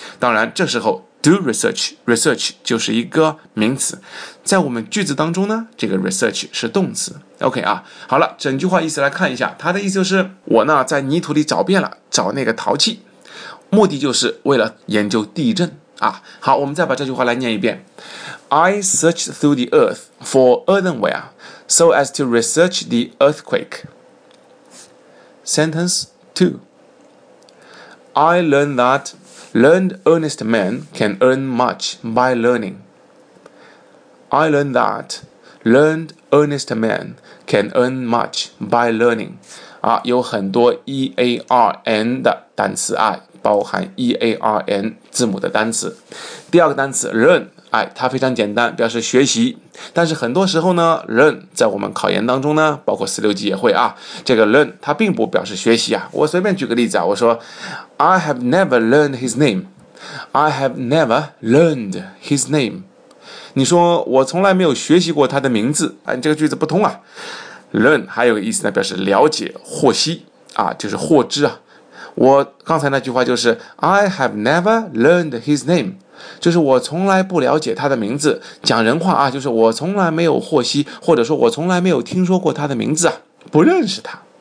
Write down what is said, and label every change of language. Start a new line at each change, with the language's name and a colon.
Chinese: 当然，这时候 do research 就是一个名词，在我们句子当中呢，这个 research 是动词。 OK 啊，好了，整句话意思来看一下，他的意思就是我呢在泥土里找遍了，找那个陶器。目的就是为了研究地震啊！好，我们再把这句话来念一遍。
English: I searched through the earth for earthenware so as to research the earthquake. Sentence 2. I learned that learned earnest men can earn much by learning. I learned that learned earnest men can earn much by learning.
Chinese: 啊，有很多 E-A-R-N 的单词啊，包含 E-A-R-N 字母的单词。第二个单词 learn， 哎，它非常简单，表示学习。但是很多时候呢 learn 在我们考研当中呢，包括四六级也会啊，这个 learn 它并不表示学习啊。我随便举个例子啊，我说
English: I have never learned his name， I have never learned his name。
Chinese: 你说我从来没有学习过他的名字，哎，这个句子不通啊。 learn 还有个意思呢，表示了解获悉啊，就是获知啊。我刚才那句话就是
English: I have never learned his name，
Chinese: 就是我从来不了解他的名字，讲人话啊，就是我从来没有获悉，或者说我从来没有听说过他的名字啊，不认识他。